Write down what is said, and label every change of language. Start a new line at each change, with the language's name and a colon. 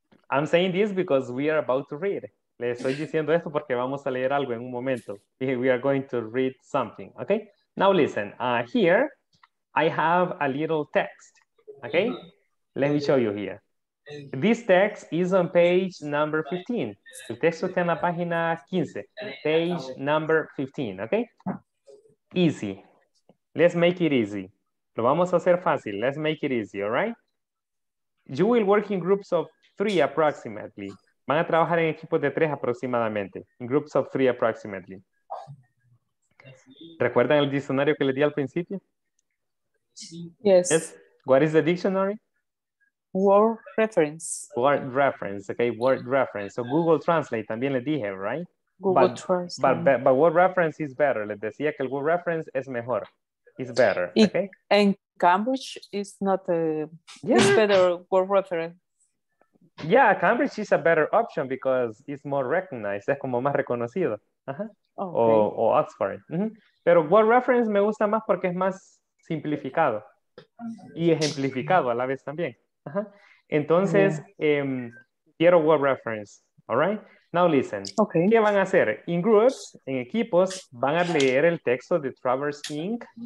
English: I'm saying this because we are about to read.
Spanish: Le estoy diciendo esto porque vamos a leer algo en un momento.
English: We are going to read something, ok? Now listen, here I have a little text, ok? Let me show you here. This text is on page number 15.
Spanish: El texto está en la página 15.
English: Page number 15, ¿ok? Easy. Let's make it easy.
Spanish: Lo vamos a hacer fácil.
English: Let's make it easy, all right? You will work in groups of three approximately.
Spanish: Van a trabajar en equipos de tres aproximadamente.
English: In groups of three approximately.
Spanish: ¿Recuerdan el diccionario que les di al principio?
English: Yes. Yes. What is the dictionary? Word reference. Word reference, okay, word reference. So Google Translate,
Spanish: también le dije,
English: right? But word reference is better.
Spanish: Les decía que el word reference es mejor.
English: It's better, okay? And Cambridge is not a better word reference. Yeah, Cambridge is a better option because it's more recognized.
Spanish: Es como más reconocido. Uh-huh.
English: Okay.
Spanish: O Oxford. Mm-hmm. Pero word reference me gusta más porque es más simplificado. Y ejemplificado a la vez también. Uh-huh. Entonces, quiero word reference,
English: all right? Now listen, okay.
Spanish: ¿Qué van a hacer?
English: In groups,
Spanish: en equipos, van a leer el texto de Traverse Inc.